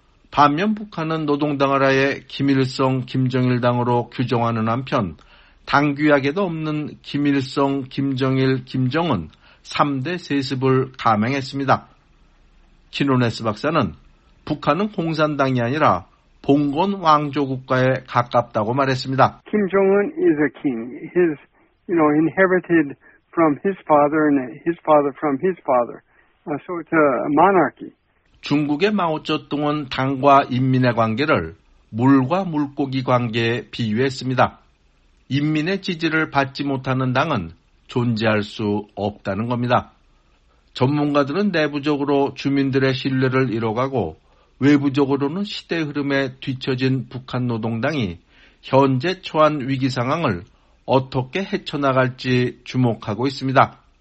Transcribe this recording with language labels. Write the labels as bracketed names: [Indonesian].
[Korean] 반면 북한은 노동당을 아예 김일성, 김정일 당으로 규정하는 한편 당규약에도 없는 김일성, 김정일, 김정은 3대 세습을 감행했습니다. 키노네스 박사는 북한은 공산당이 아니라 봉건 왕조 국가에 가깝다고 말했습니다. [English] Kim Jong-un is a king. He's, you know, inherited from his father and his father from his father. So it's a monarchy. [Korean] 중국의 마오쩌둥은 당과 인민의 관계를 물과 물고기 관계에 비유했습니다. 인민의 지지를 받지 못하는 당은 존재할 수 없다는 겁니다. 전문가들은 내부적으로 주민들의 신뢰를 잃어가고 외부적으로는 시대 흐름에 뒤처진 북한 노동당이 현재 처한 위기 상황을 어떻게 헤쳐나갈지 주목하고 있습니다.